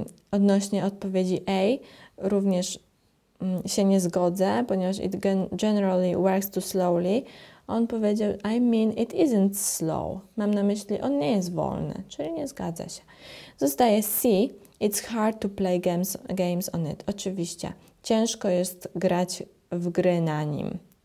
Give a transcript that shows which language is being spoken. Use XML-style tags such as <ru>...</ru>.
<pl>Odnośnie odpowiedzi A również się nie zgodzę, ponieważ</pl> <en>it generally works too slowly.</en> <pl>On powiedział,</pl> <en>I mean it isn't slow.</en> <pl>Mam na myśli, on nie jest wolny, czyli nie zgadza się. Zostaje</pl> <en>C, it's hard to play games on it.</en> <pl>Oczywiście. Ciężko jest grać w gry na nim.</pl>